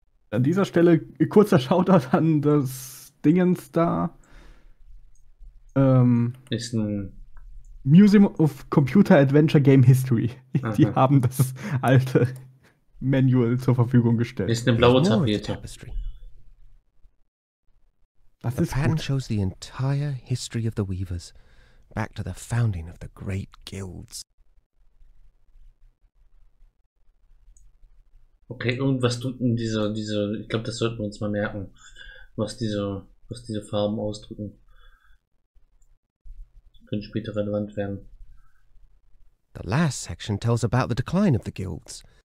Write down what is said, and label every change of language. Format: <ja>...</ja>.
<de>An dieser Stelle kurzer Shoutout an das Dingens da. Ist ein</de> <en>Museum of Computer Adventure Game History. Aha.</en> <de>Die haben das alte Manual zur Verfügung gestellt. Ist eine blaue Tapete. Das ist gut.</de> <en>Shows the entire history of the Weavers back to the founding of the great guilds.</en> <de>Okay, irgendwas drücken diese, ich glaube, das sollten wir uns mal merken, was diese Farben ausdrücken. Das könnte später relevant werden.</de> <en>The last section tells about the decline of the guilds.</en>